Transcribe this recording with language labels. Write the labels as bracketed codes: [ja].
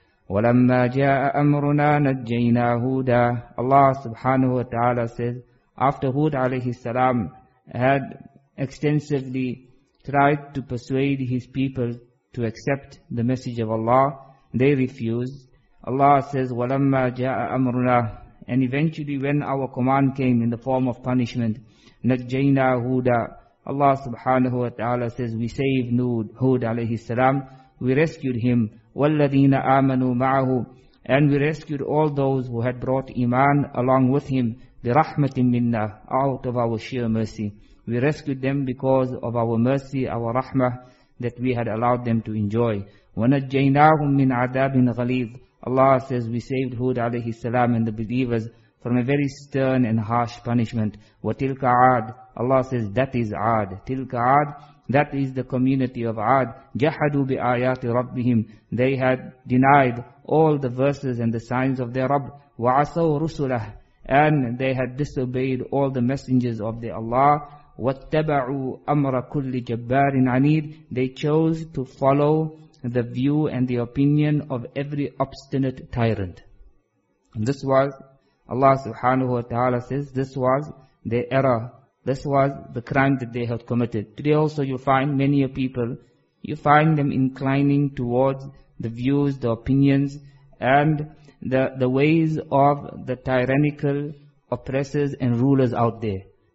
[ar] وَلَمَّا جَاءَ أَمْرُنَا نَجَّيْنَا هُودًا. [en] Allah subhanahu wa ta'ala says, after Hud alayhi salam had extensively tried to persuade his people to accept the message of Allah, they refused. Allah says, [ar] وَلَمَّا جَاءَ أَمْرُنَا. [en] And eventually when our command came in the form of punishment, [ar] نَجَّيْنَا هُودًا. [en] Allah subhanahu wa ta'ala says, we saved Hud alayhi salam, we rescued him. [ar] وَالَّذِينَ آمَنُوا مَعَهُ. [en] And we rescued all those who had brought iman along with him. [ar] بِرَحْمَةٍ مِنَّا. [en] Out of our sheer mercy. We rescued them because of our mercy, our rahmah, that we had allowed them to enjoy. [ar] وَنَجَّيْنَاهُمْ مِنْ عَذَابٍ غَلِيظٍ. [en] Allah says, we saved Hud alayhi salam and the believers from a very stern and harsh punishment. [ar] وَتِلْكَ عَاد. [en] Allah says, that is Aad. [ar] تِلْكَ عَاد. [en] That is the community of Aad. [ar] جَحَدُوا بِآيَاتِ رَبِّهِمْ. [en] They had denied all the verses and the signs of their Rabb. [ar] وَعَصَوْا رُسُلَهُ. [en] And they had disobeyed all the messengers of their Allah. [ar] وَاتَّبَعُوا أَمْرَ كُلِّ جَبَّارٍ عَنِيدٍ. [en] They chose to follow the view and the opinion of every obstinate tyrant. And this was, Allah subhanahu wa ta'ala says, this was their error. This was the crime that they had committed. Today also you find many a people, you find them inclining towards the views, the opinions, and the ways of the tyrannical oppressors and rulers out there.